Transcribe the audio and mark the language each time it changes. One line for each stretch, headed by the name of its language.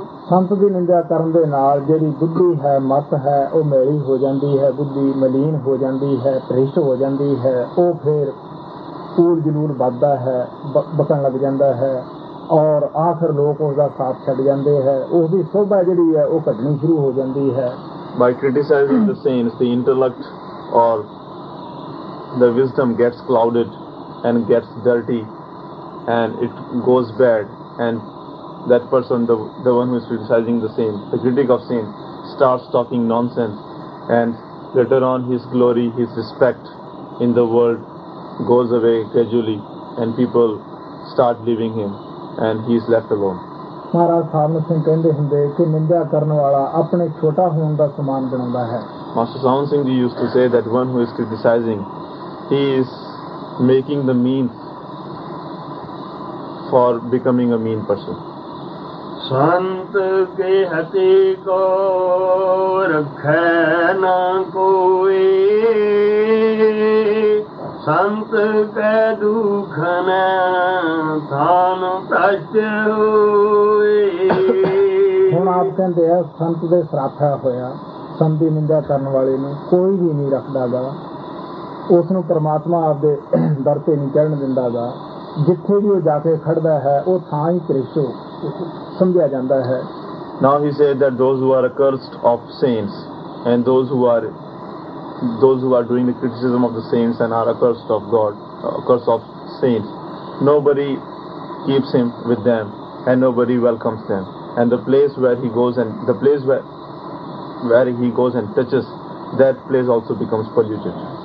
Punjabi: ਸੰਤ ਦੀ ਨਿੰਦਾ ਕਰਨ ਦੇ ਨਾਲ ਜਿਹੜੀ ਬੁੱਧੀ ਹੈ ਮਤ ਹੈ ਉਹ ਮੈਲੀ ਹੋ ਜਾਂਦੀ ਹੈ ਬੁੱਧੀ ਮਲੀਨ ਹੋ ਜਾਂਦੀ ਹੈ ਭ੍ਰਿਸ਼ਟ ਹੋ ਜਾਂਦੀ ਹੈ ਉਹ ਫਿਰ ਪੂਰ ਜਨੂਰ ਵੱਧਦਾ ਹੈ ਬਕਣ ਲੱਗ ਜਾਂਦਾ ਹੈ ਔਰ ਆਖਰ ਲੋਕ ਉਸਦਾ ਸਾਥ ਛੱਡ ਜਾਂਦੇ ਹੈ ਉਸਦੀ ਸੋਭਾ ਜਿਹੜੀ ਹੈ ਉਹ ਘਟਣੀ ਸ਼ੁਰੂ ਹੋ ਜਾਂਦੀ ਹੈ
English: By criticizing the saints the intellect or the wisdom gets clouded and gets dirty and it goes bad and that person, the one who is criticizing the saint, the critic of saint, starts talking nonsense, and later on his glory, his respect in the world goes away gradually, and people start leaving him, and he is left alone.
Punjabi: ਮਹਾਰਾਜ ਸਾਹਿਬ ਸਿੰਘ ਕਹਿੰਦੇ ਹੁੰਦੇ ਕਿ ਨਿੰਦਿਆ ਕਰਨ ਵਾਲਾ ਆਪਣੇ ਛੋਟਾ ਹੋਣ ਦਾ ਸਮਾਨ ਬਣਾਉਂਦਾ ਹੈ।
English: Master Sahib Singh ji used to say that one who is criticizing he is making the means for becoming a mean person.
Punjabi: ਸੰਤ ਕੇ ਹਤੇ ਕੋ ਰੱਖੈ ਨਾ ਕੋਈ ਸੰਤ ਕੈ ਦੁਖ ਨੈ ਧਾਨ ਤਸ ਹੋਏ। ਹੁਣ ਆਪ ਕਹਿੰਦੇ ਆ ਸੰਤ ਦੇ ਸਰਾਫਾ ਹੋਇਆ, ਸੰਤ ਦੀ ਨਿੰਦਾ ਕਰਨ ਵਾਲੇ ਨੂੰ ਕੋਈ ਵੀ ਨਹੀਂ ਰੱਖਦਾ ਗਾ, ਉਸ ਨੂੰ ਪਰਮਾਤਮਾ ਆਪਦੇ ਦਰ ਤੇ ਨਹੀਂ ਚੜ੍ਹਨ ਦਿੰਦਾ ਗਾ, ਜਿੱਥੇ ਵੀ ਉਹ ਜਾ ਕੇ ਖੜਦਾ ਹੈ ਉਹ ਥਾਂ ਹੀ ਕ੍ਰਿਸ਼ੋ ਸਮਝਿਆ ਜਾਂਦਾ ਹੈ।
English: Now he said that those who are accursed of saints and those who are doing the criticism of the saints and are accursed of God, accursed of saints, nobody keeps him with them and nobody welcomes them. And the place where he goes and touches, that place also becomes polluted.